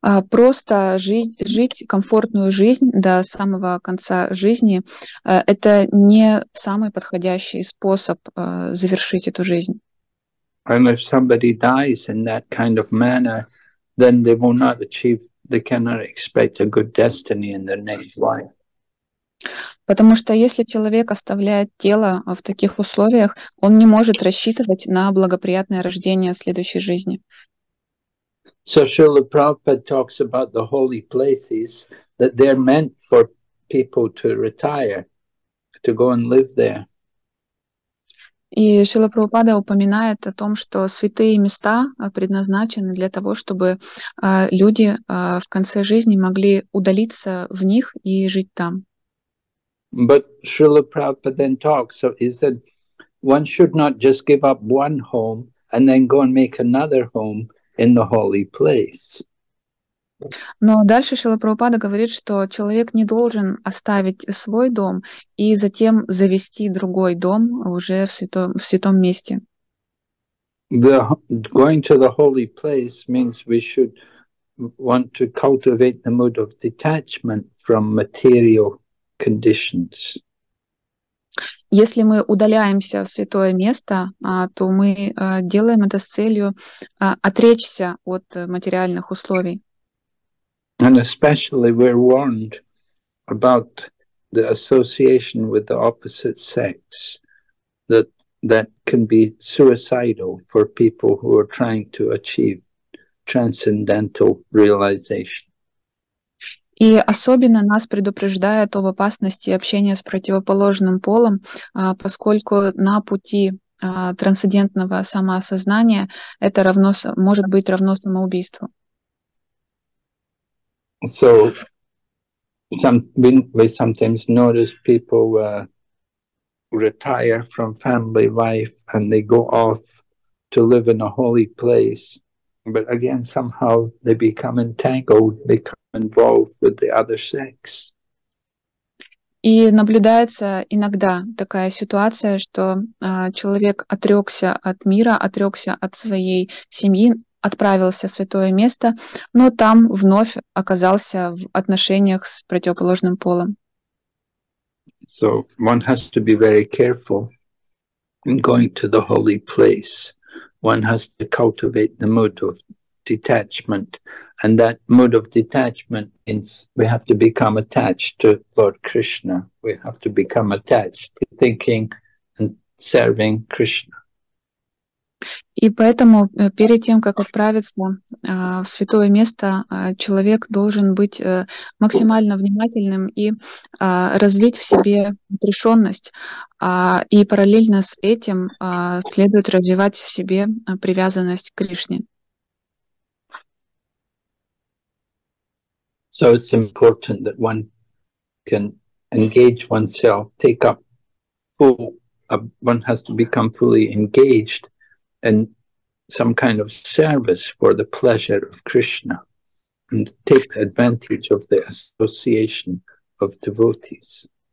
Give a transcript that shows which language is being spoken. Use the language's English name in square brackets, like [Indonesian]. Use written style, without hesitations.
[Russian] Просто жить комфортную жизнь до самого конца жизни — это не самый подходящий способ завершить эту жизнь. [English] And if somebody dies in that kind of manner, then they will not achieve, they cannot expect a good destiny in their next life. [Russian] Потому что если человек оставляет тело в таких условиях, он не может рассчитывать на благоприятное рождение в следующей жизни. [English] So Srila Prabhupada talks about the holy places, that they're meant for people to retire, to go and live there. [Russian] И Шрила Прабхупада упоминает о том, что святые места предназначены для того, чтобы люди в конце жизни могли удалиться в них и жить там. [English] But Srila Prabhupada then talks, so he said, one should not just give up one home and then go and make another home in the holy place. [Russian] Но дальше Шрила Прабхупада говорит, что человек не должен оставить свой дом и затем завести другой дом уже в святом месте. [English] Going to the holy place means we should want to cultivate the mood of detachment from material conditions. [Russian] Если мы удаляемся в святое место, то мы делаем это с целью отречься от материальных условий. [English] And especially we're warned about the association with the opposite sex, that can be suicidal for people who are trying to achieve transcendental realization. [Russian] И особенно нас предупреждает об опасности общения с противоположным полом, поскольку на пути трансцендентного самоосознания это равно, может быть равно самоубийству. [English] So, we sometimes notice people retire from family life and they go off to live in a holy place, but again, somehow they become entangled, become involved with the other sex. [Russian] И наблюдается иногда такая ситуация, что человек отрекся от мира, отрекся от своей семьи, отправился в святое место, но там вновь оказался в отношениях с противоположным полом. [English] So one has to be very careful in going to the holy place. One has to cultivate the mood of detachment, and that mood of detachment means we have to become attached to Lord Krishna. We have to become attached to thinking and serving Krishna. [Russian] И поэтому перед тем, как отправиться в святое место, человек должен быть максимально внимательным и развить в себе отрешенность. И параллельно с этим следует развивать в себе привязанность к Кришне. [English] So it's important that one can engage oneself, take up full, one has to become fully engaged and some kind of service for the pleasure of Krishna and take advantage of the association of devotees.